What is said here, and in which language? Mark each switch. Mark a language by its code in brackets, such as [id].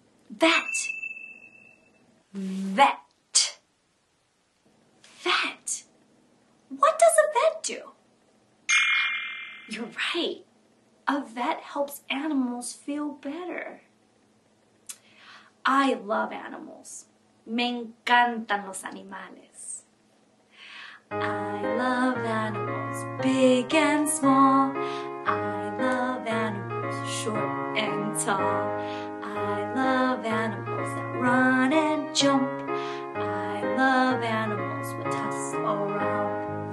[en] Vet. Vet. Vet. What does a vet do? You're right. A vet helps animals feel better. I love animals. [es] Me encantan los animales. [en] I love animals, big and small. I love animals, short and tall. I love animals that run and jump. I love animals with tusks or rump.